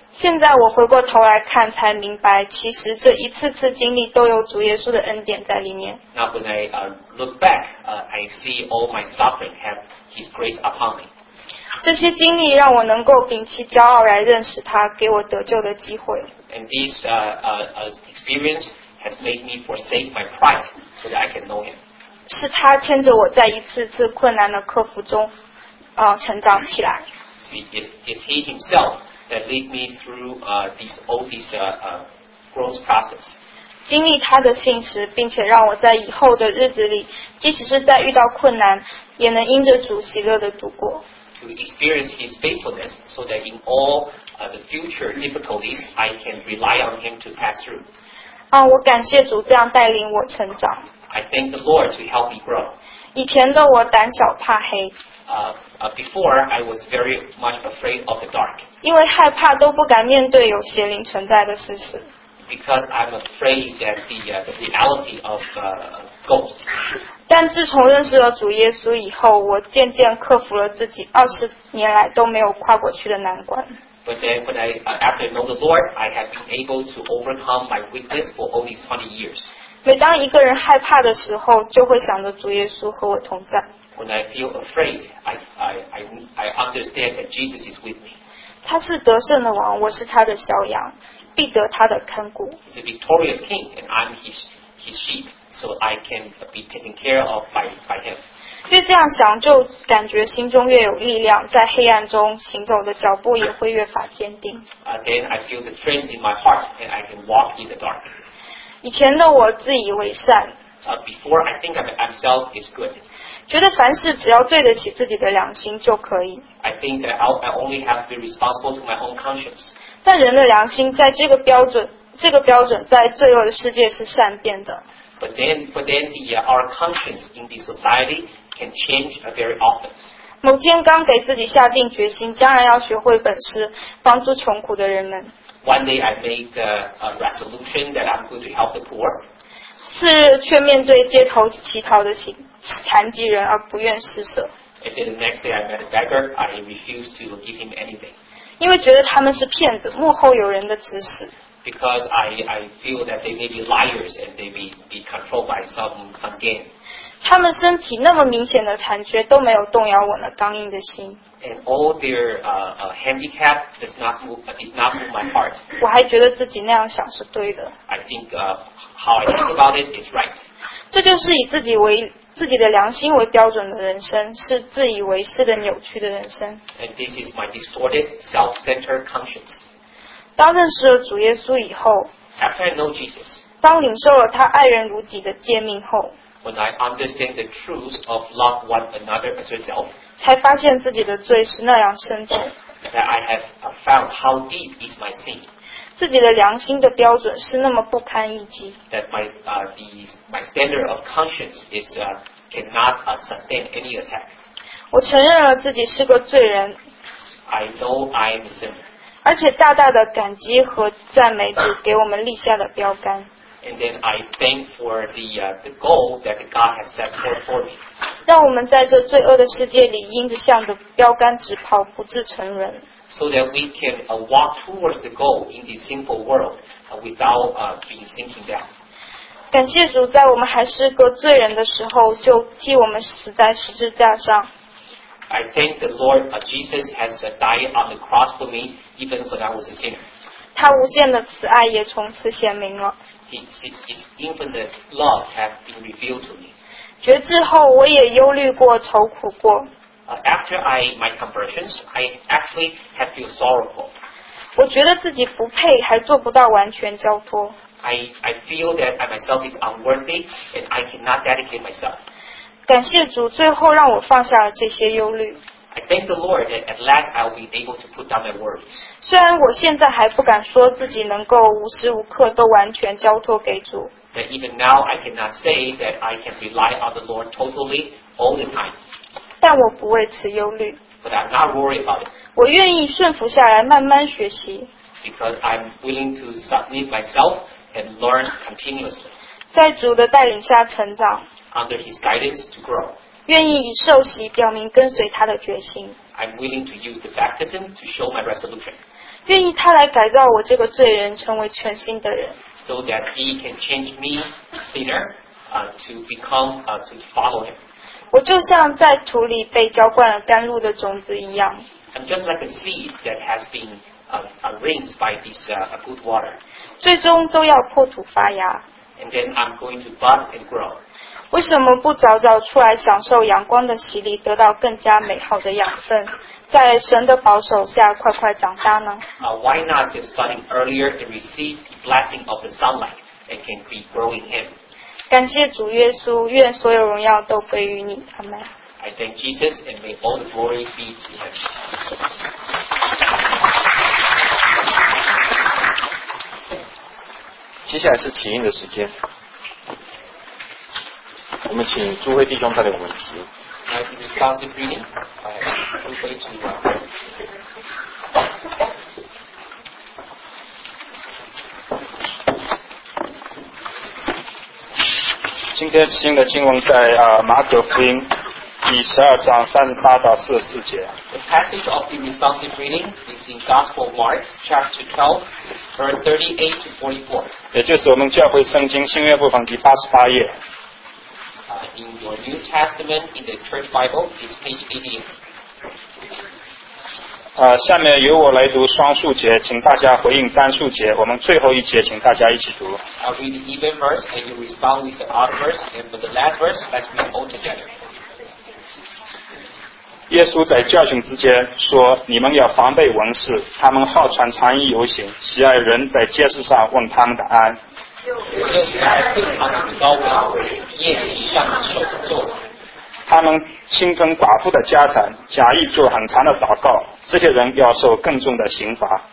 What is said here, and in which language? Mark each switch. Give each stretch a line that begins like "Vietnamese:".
Chinese: 现在我回过头来看，才明白，其实这一次次经历都有主耶稣的恩典在里面。
English: Now when I look back, I see all my suffering have His grace upon me.
Chinese: 这些经历让我能够摒弃骄傲来认识他给我得救的机会
English: And this experience has made me forsake my pride so that I can know him
Chinese: 是他牵着我在一次次困难的克服中成长起来
English: See, it's he himself that lead me through all these growth process
Chinese: 经历他的信实并且让我在以后的日子里即使是在遇到困难也能因着主喜乐的度过
English: To experience his faithfulness so that in all the future difficulties, I can rely on him to pass through.
Chinese: 我感谢主这样带领我成长。
English: I thank the Lord to help me grow.
Chinese: 以前的我胆小怕黑。
English: Before, I was very much afraid of the dark.
Chinese: 因为害怕都不敢面对有邪灵存在的事实。
English: Because I'm afraid that the reality of ghosts.
Chinese: 但自从认识了主耶稣以后，我渐渐克服了自己二十年来都没有跨过去的难关。
English: But then, when I after know the Lord, I have been able to overcome my weakness for all these 20 years.
Chinese: 每当一个人害怕的时候，就会想着主耶稣和我同在。
English: When I feel afraid, I understand that Jesus is with me.
Chinese: 他是得胜的王，我是他的羔羊。必得他的看顾。
English: He's a victorious king, and I'm his sheep, so I can be taken care of by him.
Chinese: 越这样想就感觉心中越有力量，在黑暗中行走的脚步也会越发坚定。
English: Then I feel the strength in my heart and I can walk in the dark.
Chinese: 以前的我自以为善。
English: Before I think of myself is good.
Chinese: 觉得凡事只要对得起自己的良心就可以。
English: I think that I only have to be responsible to my own conscience.
Chinese: 但人的良心在这个标准在罪恶的世界是善变的。
English: But then our conscience in this society can change very often.
Chinese: 某天刚给自己下定决心，将来要学会本事，帮助穷苦的人们。
English: One day I make a resolution that I'm going to help the poor.
Chinese: 次日却面对街头乞讨的残疾人而不愿施舍。
English: And then the next day I met a beggar, I refused to give him anything.
Chinese: 因为觉得他们是骗子，幕后有人的指使。
English: Because I feel that they may be liars and they may be controlled by some gain.
Chinese: 他们身体那么明显的残缺都没有动摇我那刚硬的心。
English: And all their handicap did not move my heart.
Chinese: 我还觉得自己那样想是对的。
English: I think how I think about it is right.
Chinese: 这就是以自己的良心为标准的人生，是自以为是的扭曲的人生。
English: And this is my distorted, self-centered conscience.
Chinese: 当认识了主耶稣以后
English: After I know Jesus,
Chinese: 当领受了他爱人如己的诫命后
English: When I understand the truth of love one another as yourself,
Chinese: 才发现自己的罪是那样深重
English: That I have found how deep is my sin,
Chinese: 自己的良心的标准是那么不堪一击
English: That my standard of conscience is, cannot sustain any attack.
Chinese: 我承认了自己是个罪人
English: I know I am a sinner.
Chinese: 而且大大的感激和赞美主给我们立下的标杆。
English: And then I thank for the goal that God has set for me.
Chinese: 让我们在这罪恶的世界里，因着向着标杆直跑，不致沉沦。
English: So that we can walk towards the goal in this simple world without being sinking down.
Chinese: 感谢主，在我们还是个罪人的时候，就替我们死在十字架上。
English: I thank the Lord Jesus has died on the cross for me, even when I was a sinner.
Chinese: 他无限的慈爱也从此显明了。
English: His infinite love has been revealed to me.
Chinese: 觉知后我也忧虑过愁苦过。
English: After my conversions, I actually have feel sorrowful.
Chinese: 我觉得自己不配，还做不到完全交托。
English: I feel that I myself is unworthy and I cannot dedicate myself.
Chinese: 感谢主，最后让我放下了这些忧虑。
English: I thank the Lord that at last I'll be able to put down my worries.
Chinese: 虽然我现在还不敢说自己能够无时无刻都完全交托给主。
English: But even now I cannot say that I can rely on the Lord totally all the time.
Chinese: 但我不为此忧虑。
English: But I'm not worried about it.
Chinese: 我愿意顺服下来，慢慢学习。
English: Because I'm willing to submit myself and learn continuously.
Chinese: 在主的带领下成长。
English: Under His guidance to grow.
Chinese: 愿意以受洗表明跟随他的决心。
English: I'm willing to use the baptism to show my resolution.
Chinese: 愿意他来改造我这个罪人，成为全新的人。
English: So that He can change me, sinner, to become, to follow Him.
Chinese: 我就像在土里被浇灌了甘露的种子一样。
English: I'm just like a seed that has been rinsed by this good water.
Chinese: 最终都要破土发芽。
English: And then I'm going to bud and grow.
Chinese: 为什么不早早出来享受阳光的洗礼，得到更加美好的养分，在神的保守下快快长大呢？
English: Why not just budding earlier and receive the blessing of the sunlight and can be growing him?
Chinese: 感谢主耶稣，愿所有荣耀都归于你。
English: Amen. I thank Jesus and may all the glory be to him.
Chinese: 接下来是起印的时间。我们请诸位弟兄带领我们起印。那是responsive reading，诸位弟兄。今天起印的经文在马可福音第十二章三十八到四十四节。
English: The passage of the responsive reading is in Gospel Mark chapter 12, verse 38 to 44.
Chinese: 也就是我们教会圣经新约部分第八十八页。
English: In your New Testament, in the Church Bible, it's page 88.
Chinese: 下面由我来读双数节，请大家回应单数节。我们最后一节，请大家一起读。
English: I'll read the even verse, and you respond with the odd verse. And for the last verse, let's read all together.
Chinese: 耶稣在教训之间说，你们要防备文士，他们好穿长衣游行，喜爱人在街市上问他们的安，又喜爱对他们的高挂为宴席上的首座。他们侵吞寡妇的家产，假意做很长的祷告，这些人要受更重的刑罚。